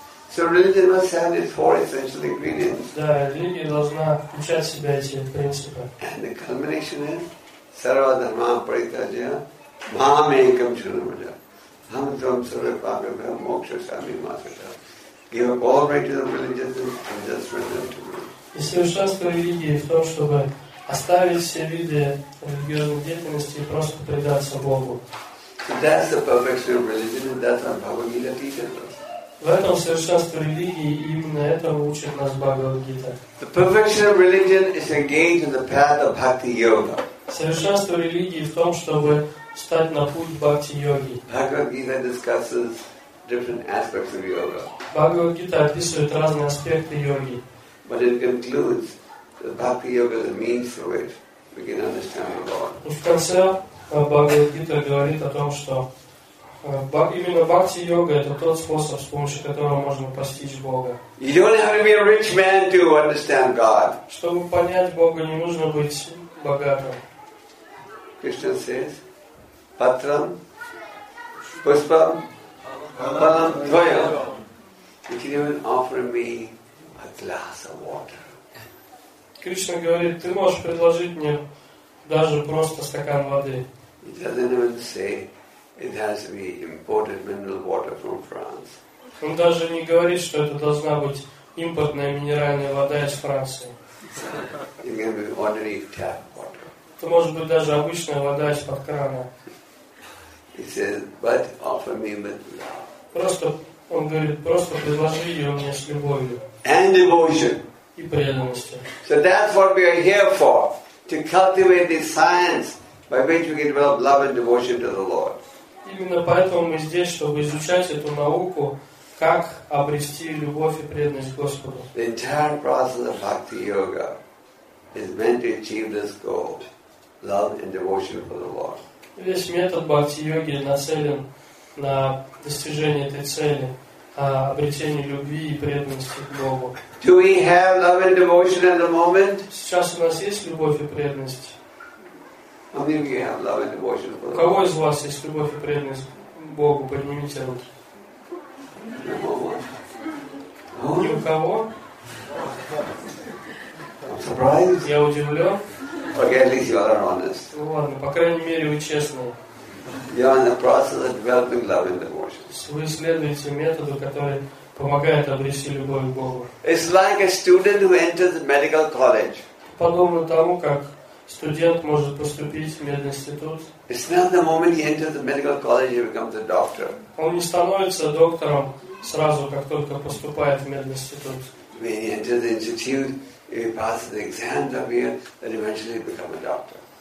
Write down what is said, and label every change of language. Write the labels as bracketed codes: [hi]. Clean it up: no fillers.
[en] So religion must have its four essential ingredients. [ru] Да, религия должна включать в себя эти принципы. [sa] And the culmination is sarva dharma paritajya mam ekam charanam vraja. Aham tvam sarva papebhyo moksha sami mataja. [en] Give up all riches of religion and just surrender to me. [ru] И совершенство религии в том, чтобы оставить все виды религиозной деятельности и просто предаться Богу. [en] That's the perfection of religion, and that's what Bhagavad Gita teaches us. [ru] В этом совершенство религии, именно этому учит нас Бхагавад Гита. [en] The perfection of religion is engaged in the path of Bhakti Yoga. [ru] Совершенство религии в том, чтобы встать на путь Бхакти Йоги. [en] Bhagavad Gita discusses different aspects of yoga. [ru] Бхагавад Гита описывает разные аспекты йоги. [en] But it concludes that Bhakti Yoga is a means through which we can understand the Lord. [ru] Бхагавад-гита говорит о том, что именно бхакти-йога — это тот способ, с помощью которого можно постичь Бога. [en] You don't have to be a rich man to understand God. [ru] Чтобы понять Бога, не нужно быть богатым. [en] Krishna says, [sa] patram, puspam, palam, dvayam. [en] You can even offer me a glass of water. [ru] Кришна говорит, ты можешь предложить мне даже просто стакан воды. [en] He doesn't even say it has to be imported mineral water from France. [ru] Он даже не говорит, что это должна быть импортная минеральная вода из Франции. [en] It can be ordinary tap water. [ru] Это может быть даже обычная вода из-под крана. [en] He says, but offer me with love. [ru] Просто, он говорит, просто предложи ее мне с любовью. [en] And devotion. [ru] И преданностью. [en] So that's what we are here for, to cultivate this science by which we can develop love and devotion to the Lord. [ru] Именно поэтому мы здесь, чтобы изучать эту науку, как обрести любовь и преданность Господу. [en] The entire process of Bhakti Yoga is meant to achieve this goal, love and devotion for the Lord. [ru] Весь метод Бхакти Йоги нацелен на достижение этой цели, обретение любви и преданности к Богу. [en] Do we have love and devotion at the moment? [ru] Сейчас у нас есть любовь и преданность. [en] How many of you have love and devotion for the Lord? [ru] У кого из вас есть любовь и преданность Богу? Поднимите руки. [en] No. [ru] Ни у кого? [en] I'm surprised. [ru] Я удивлен. [en] Okay, at least you are honest. [ru] Ладно, по крайней мере, вы честны. [en] You are in the process of developing love and devotion. [ru] Вы исследуете методы, которые помогают обрести любовь к Богу. [en] It's like a student who enters a medical college. [ru] Подобно тому, как Студент может поступить в мединститут. [en] It's not the moment he enters the medical college he becomes a doctor. [ru] Он не становится доктором сразу, как только поступает в мединститут. [en] When he enters the institute, he passes the exam every year, then eventually he becomes a doctor.